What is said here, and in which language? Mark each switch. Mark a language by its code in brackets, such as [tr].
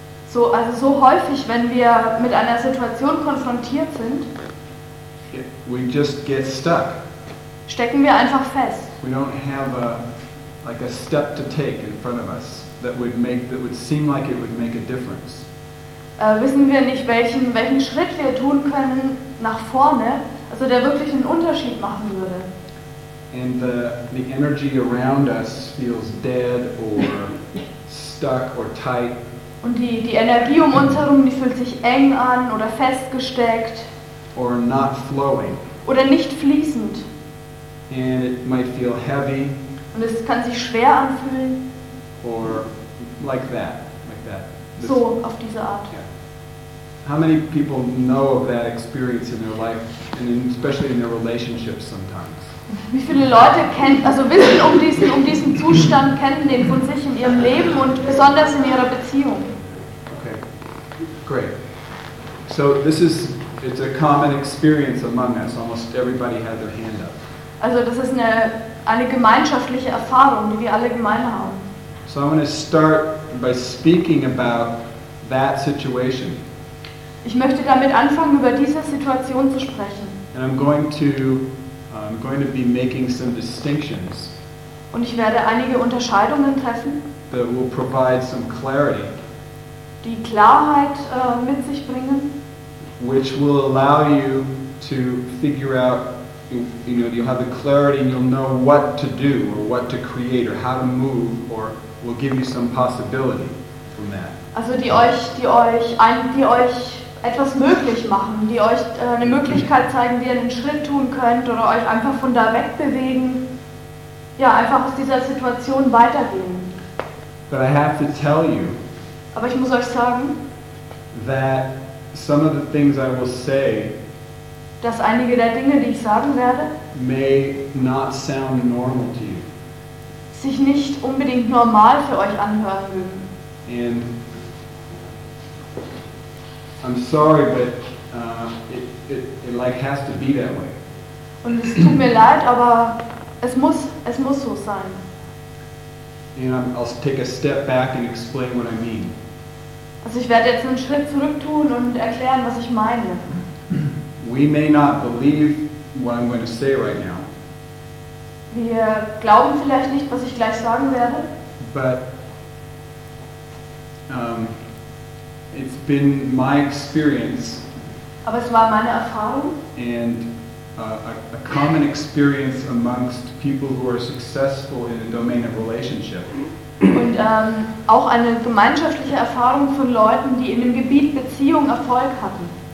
[de] so häufig, wenn wir mit einer Situation konfrontiert sind, [en] we just get stuck. [de] Stecken wir einfach fest. [en] We don't have a step to take in front of us that would seem like it would make a difference. [de] Wissen wir nicht, welchen Schritt wir tun können nach vorne, also der wirklich einen Unterschied machen würde. [en] And the energy around us feels dead or stuck or tight. [de] Und die Energie um uns herum, die fühlt sich eng an oder festgesteckt. [en] Or not flowing. [de] Oder nicht fließend. [en] And it might feel heavy. [de] Und es kann sich schwer anfühlen. [en] Or like that. [de] So, auf diese Art. [en] Yeah. How many people know of that experience in their life, and especially in their relationships sometimes? [de] Wie viele Leute wissen um diesen Zustand, kennen den von sich in ihrem Leben und besonders in ihrer Beziehung? [en] Okay, great. So this is, it's a common experience among us. Almost everybody had their hand up. [de] Also das ist eine gemeinschaftliche Erfahrung, die wir alle gemein haben. [en] So I'm going to start by speaking about that situation. [de] Ich möchte damit anfangen, über diese Situation zu sprechen. [en] And I'm going to be making some distinctions. [de] Und ich werde einige Unterscheidungen treffen. [en] That will provide some clarity. [de] Die Klarheit mit sich bringen. [en] Which will allow you to figure out, you know, you'll have the clarity and you'll know what to do or what to create or how to move or will give you some possibility from that. [de] Also die euch etwas möglich machen, die euch eine Möglichkeit zeigen, wie ihr einen Schritt tun könnt oder euch einfach von da wegbewegen. Ja, einfach aus dieser Situation weitergehen. [en] But I have to tell you. [de] Aber ich muss euch sagen, [en] that some of the things I will say, [de] dass einige der Dinge, die ich sagen werde, [en] may not sound normal to you. [de] Sich nicht unbedingt normal für euch anhören mögen. [en] And I'm sorry, but it like has to be that way. [de] Und es tut mir leid, aber es muss so sein. [en] And I'll take a step back and explain what I mean. [de] Also ich werde jetzt einen Schritt zurück tun und erklären, was ich meine. [en] We may not believe what I'm going to say right now. [de] Wir glauben vielleicht nicht, was ich gleich sagen werde. [en] But it's been my experience. [de] Aber es war meine Erfahrung. [en] And a common experience amongst people who are successful in the domain of relationship. [de] Und auch eine gemeinschaftliche Erfahrung von Leuten, die in dem Gebiet Beziehung Erfolg hatten.